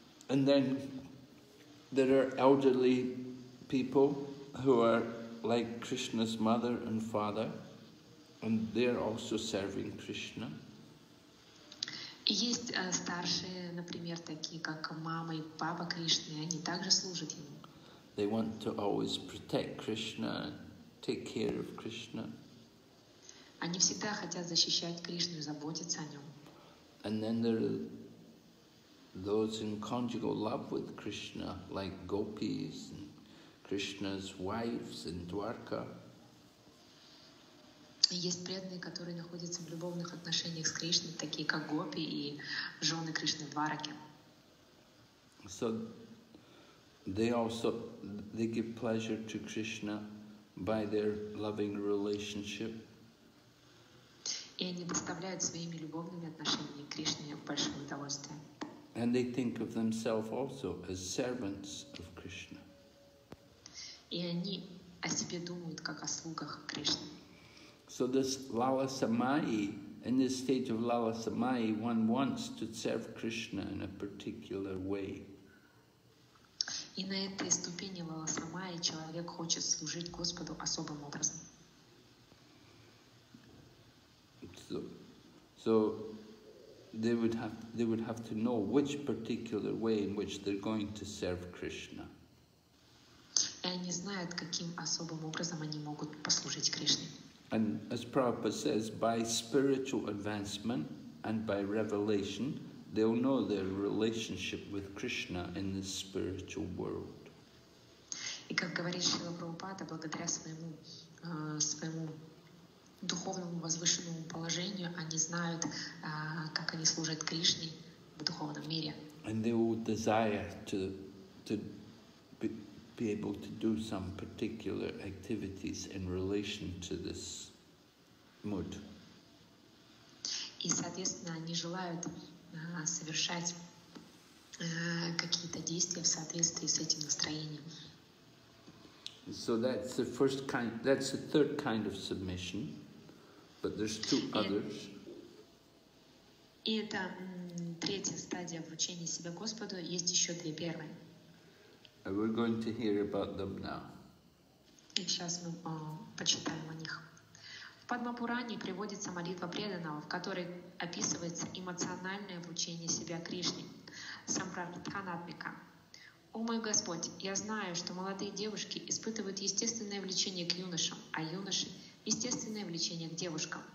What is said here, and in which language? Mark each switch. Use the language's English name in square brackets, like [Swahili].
[English] And then there are elderly people who are like Krishna's mother and father. And they're also serving Krishna. [Russian] Есть старшие, например, такие как мама и папа Кришны, они также служат ему. [English] They want to always protect Krishna, take care of Krishna. [Russian] Они всегда хотят защищать Кришну и заботиться о нем. [English] And then there are those in conjugal love with Krishna, like gopis and Krishna's wives in Dwarka. [Russian] Есть преданные, которые находятся в любовных отношениях с Кришной, такие как гопи и жены Кришны в Двараке. [English] So they also they give pleasure to Krishna by their loving relationship. [Russian] И они доставляют своими любовными отношениями Кришне большое удовольствие. [English] And they think of themselves also as servants of Krishna. [Russian] И они о себе думают как о слугах Кришны. [English] So this Lala Samayi, in this state of Lala Samayi, one wants to serve Krishna in a particular way. [Russian] И на этой ступени Лала Самайи человек хочет служить Господу особым образом. [English] So they would have to know which particular way in which they're going to serve Krishna. [Russian] И они знают, каким особым образом они могут послужить Кришне. [English] And as Prabhupada says, by spiritual advancement and by revelation, they'll know their relationship with Krishna in the spiritual world. [Russian] И как говорит Шрила Прабхупада, благодаря своему своему духовному возвышенному положению, они знают, как они служат Кришне в духовном мире. [English] And they will desire to be able to do some particular activities in relation to this mood. [Russian] И, соответственно, они желают совершать какие-то действия в соответствии с этим настроением. [English] So that's the first kind, that's the third kind of submission, but there's two others. [Russian] И это третья стадия обучения себя Господу, есть еще две первые. [English] And we're going to hear about them now. [Russian] И сейчас мы почитаем о них. В Падмапуране приводится молитва преданного, в которой описывается эмоциональное влечение себя Кришне, Сампрартханатмика. О мой Господь, я знаю, что молодые девушки испытывают естественное влечение к юношам, а юноши – естественное влечение к девушкам.